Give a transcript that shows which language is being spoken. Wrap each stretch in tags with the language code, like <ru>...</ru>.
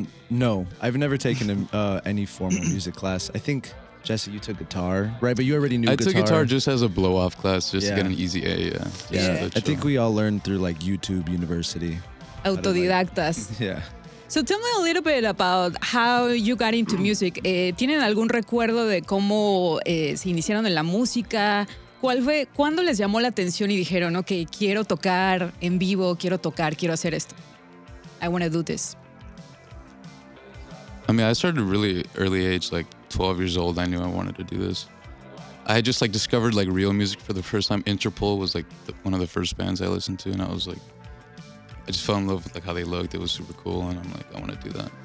<en>No, I've never taken any formal music class. I think... Jesse, you took guitar, right? But you already knew I guitar. I took guitar just as a blow-off class, just to get an easy A, I think we all learned through, like, YouTube University.</en> <es>Autodidactas.</es> <en>Yeah. So tell me a little bit about how you got into music.</en> <es>¿Tienen algún recuerdo de cómo se iniciaron en la música? ¿Cuál fue, cuándo les llamó la atención y dijeron, ok, quiero tocar en vivo, quiero tocar, quiero hacer esto?</es> <en>I want to do this. I mean, I started at a really early age, like 12 years old, I knew I wanted to do this. I had just like discovered like real music for the first time. Interpol was like one of the first bands I listened to, and I was like, I just fell in love with like how they looked. It was super cool, and I'm like, I want to do that.</en>